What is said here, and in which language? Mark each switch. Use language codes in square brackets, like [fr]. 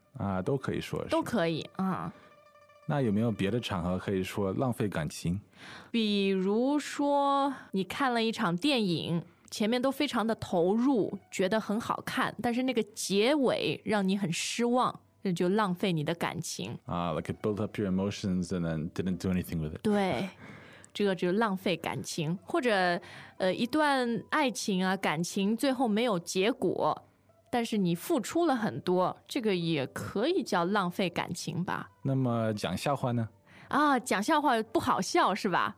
[zh] 啊，都可以说，都可以啊、嗯。那有没有别的场合可以说浪费感情？比如说你看了一场电影，前面都非常的投入，觉得很好看，但是那个结尾让你很失望。那就浪费你的感情 [en] 啊、like it built up your emotions and then didn't do anything with it [zh] 对这个就浪费感情或者、一段爱情啊感情最后没有结果但是你付出了很多这个也可以叫浪费感情吧那么讲笑话呢啊，讲笑话不好笑是吧